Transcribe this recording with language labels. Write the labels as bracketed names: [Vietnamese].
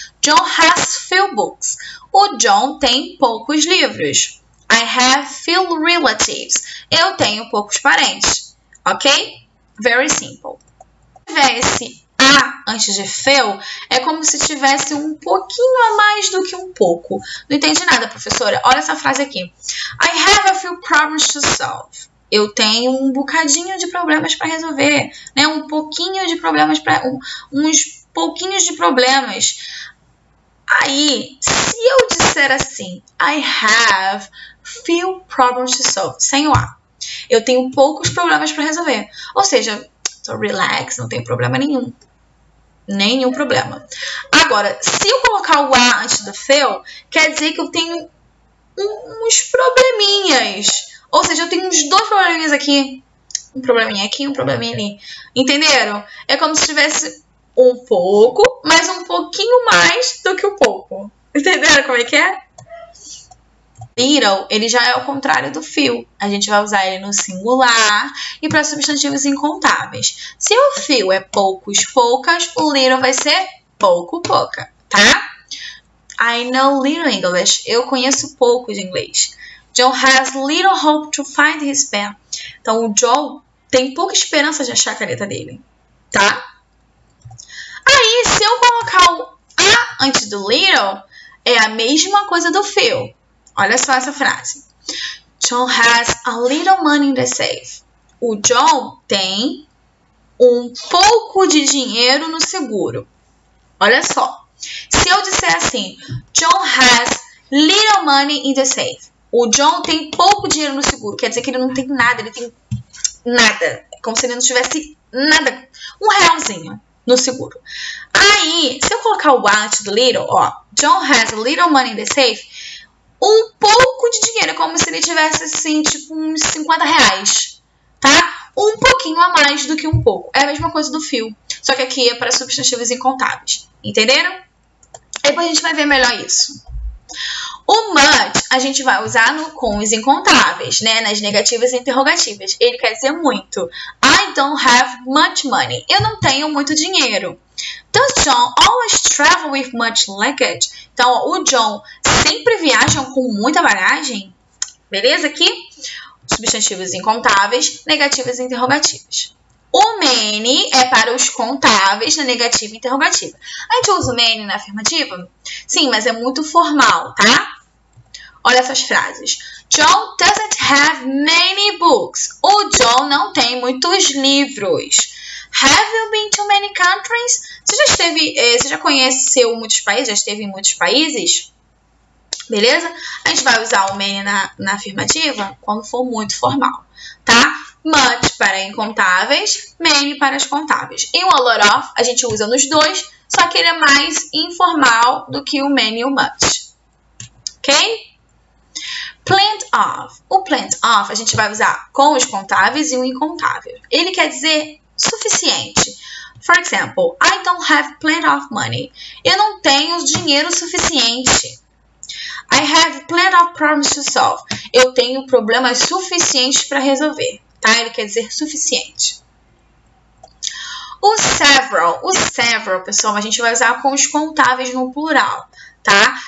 [English] John has few books. [Portuguese] O John tem poucos livros. [English] I have few relatives. [Portuguese] Eu tenho poucos parentes. [English] Ok? Very simple. [Portuguese] Se tivesse a antes de few, é como se tivesse um pouquinho a mais do que um pouco. Não entendi nada, professora. Olha essa frase aqui. [English] I have a few problems to solve. [Portuguese] Eu tenho um bocadinho de problemas para resolver, né? Um pouquinho de problemas para uns pouquinhos de problemas. Aí, se eu disser assim, [English] I have few problems to solve, [Portuguese] sem o A, eu tenho poucos problemas para resolver. Ou seja, tô relax, não tenho problema nenhum. Nenhum problema. Agora, se eu colocar o A antes do few, quer dizer que eu tenho uns probleminhas. Ou seja, eu tenho uns dois probleminhas aqui. Um probleminha aqui, um probleminha ali. Entenderam? É como se tivesse um pouco, mas um pouquinho mais do que o pouco. Entenderam como é que é? Little, ele já é o contrário do few. A gente vai usar ele no singular e para substantivos incontáveis. Se o few é poucos, poucas, o little vai ser pouco, pouca, tá? [English] I know little English. [Portuguese] Eu conheço pouco de inglês. [English] John has little hope to find his pen. [Portuguese] Então, o Joe tem pouca esperança de achar a caneta dele, tá? Aí, se eu colocar o A antes do little, é a mesma coisa do Phil. Olha só essa frase. [English] John has a little money in the safe. [Portuguese] O Joe tem um pouco de dinheiro no seguro. Olha só. Se eu disser assim, [English] John has little money in the safe. [Portuguese] O John tem pouco dinheiro no seguro, quer dizer que ele não tem nada, ele tem nada. Como se ele não tivesse nada, um realzinho no seguro. Aí, se eu colocar o A antes do little, ó, [English] John has a little money in the safe, [Portuguese] um pouco de dinheiro, como se ele tivesse assim, tipo uns R$ 50, tá? Um pouquinho a mais do que um pouco. É a mesma coisa do fio, só que aqui é para substantivos incontáveis, entenderam? Depois a gente vai ver melhor isso. O much a gente vai usar no com os incontáveis, né? Nas negativas e interrogativas. Ele quer dizer muito. [English] I don't have much money. [Portuguese] Eu não tenho muito dinheiro. [English] Does John always travel with much luggage? [Portuguese] Então, ó, o John sempre viaja com muita bagagem? Beleza aqui? Substantivos incontáveis, negativas e interrogativas. O many é para os contáveis na negativa e interrogativa. A gente usa o many na afirmativa? Sim, mas é muito formal, tá? Olha essas frases. [English] John doesn't have many books. [Portuguese] O John não tem muitos livros. [English] Have you been to many countries? [Portuguese] Você já conheceu muitos países? Já esteve em muitos países? Beleza? A gente vai usar o many na afirmativa quando for muito formal, tá? Much para incontáveis, many para os contáveis. E o a lot of a gente usa nos dois, só que ele é mais informal do que o many e o much. Ok? Plenty of. O plenty of a gente vai usar com os contáveis e o incontável. Ele quer dizer suficiente. [English] For example, I don't have plenty of money. [Portuguese] Eu não tenho dinheiro suficiente. [English] I have plenty of problems to solve. [Portuguese] Eu tenho problemas suficientes para resolver. Tá? Ele quer dizer suficiente. O several, pessoal, a gente vai usar com os contáveis no plural, tá?